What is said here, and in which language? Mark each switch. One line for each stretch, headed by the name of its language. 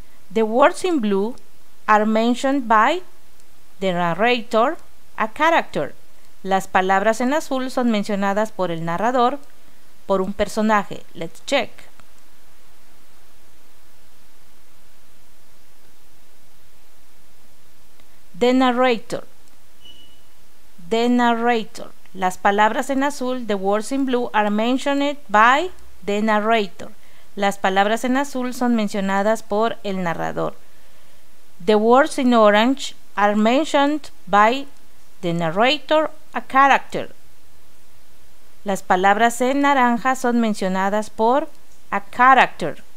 English: The words in blue are mentioned by the narrator, a character.
Spanish: Las palabras en azul son mencionadas por el narrador, por un personaje.
English: Let's check. The narrator. The narrator.
Spanish: Las palabras en azul,
English: the words in blue, are mentioned by the narrator.
Spanish: Las palabras en azul son mencionadas por el narrador.
English: The words in orange are mentioned by the narrator, a character.
Spanish: Las palabras en naranja son mencionadas por
English: a character.